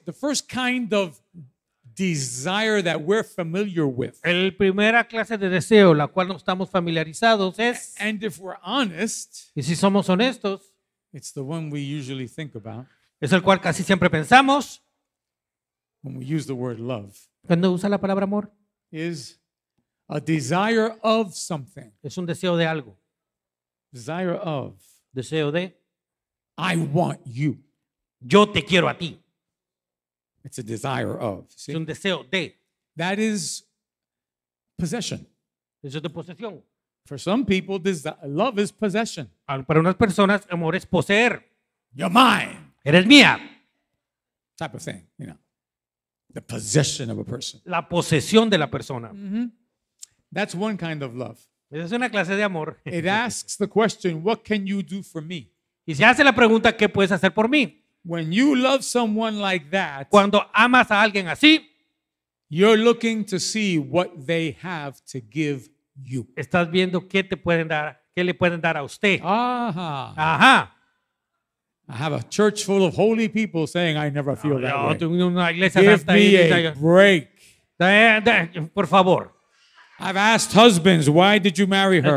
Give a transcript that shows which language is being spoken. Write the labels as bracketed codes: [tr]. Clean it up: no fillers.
[en] The first kind of desire that we're familiar with. [es] El primera clase de deseo la cual nos estamos familiarizados es. [en] And if we're honest, [es] y si somos honestos, [en] it's the one we usually think about. [es] Es el cual casi siempre pensamos. [en] When we use the word love. [es] Cuando usa la palabra amor. [en] Is a desire of something. [es] Es un deseo de algo. [en] Desire of. [es] Deseo de. [en] I want you. [es] Yo te quiero a ti. [en] It's a desire of. See? [es] Es un deseo de. [en] That is possession. [es] Eso es de posesión. [en] For some people, this love is possession. [es] Para unas personas, amor es poseer. [en] You're mine. [es] Eres mía. [en] Type of thing, you know. The possession of a person. [es] La posesión de la persona. [en] Mm-hmm. That's one kind of love. [es] Es una clase de amor. [en] It asks the question, what can you do for me? [es] Y se hace la pregunta, ¿qué puedes hacer por mí? [en] When you love someone like that, [es] cuando amas a alguien así, [en] you're looking to see what they have to give you. [es] Estás viendo qué te pueden dar, qué le pueden dar a usted. Ajá. Ajá. [en] I have a church full of holy people saying I never feel that way. [es] Tengo una iglesia hasta ahí. [en] Give me a break. [es] Por favor. [en] I've asked husbands, why did you marry her?